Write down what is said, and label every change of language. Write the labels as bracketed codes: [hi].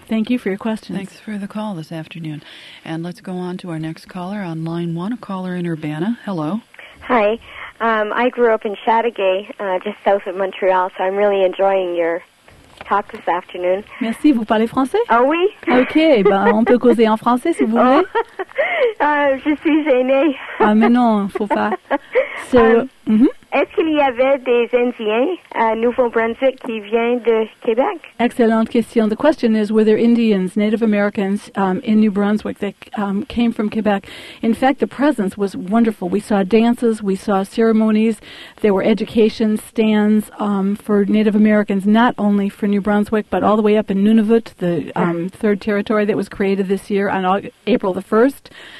[en] Thank you for your questions. Thanks for the call this afternoon. And let's go on to our next caller on line one, a caller in Urbana. Hello. Hi. I grew up in Châteauguay, just south of Montreal, so I'm really enjoying your talk this afternoon. [fr] Merci. Vous parlez français? Ah oui. Ok. Ben, on peut causer en français, si vous voulez. Je suis gênée. Ah, mais non, faut pas. Est-ce qu'il y avait des Indiens à Nouveau-Brunswick qui viennent de Québec? Excellente question. [en] The question is, were there Indians, Native Americans, in New Brunswick that came from Quebec? In fact, the presence was wonderful. We saw dances, we saw ceremonies, there were education stands for Native Americans, not only for New Brunswick, but all the way up in Nunavut, the third territory that was created this year on April the 1st.